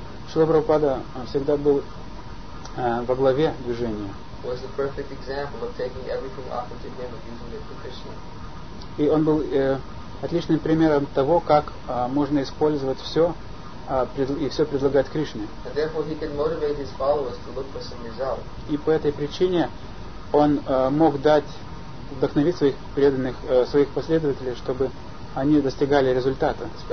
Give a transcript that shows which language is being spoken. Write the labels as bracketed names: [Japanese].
[Russian] Шрила Прабхупада всегда был во главе движения. [English] Was the perfect example of taking everything offered to him and using it for Krishna. [Russian] И он был отличным примером того, как можно использовать все и все предлагать Кришне. [English] And therefore he could motivate his followers to look for some result. [Russian] И по этой причине он мог дать вдохновить своих преданных, своих последователей, чтобы они достигали результата.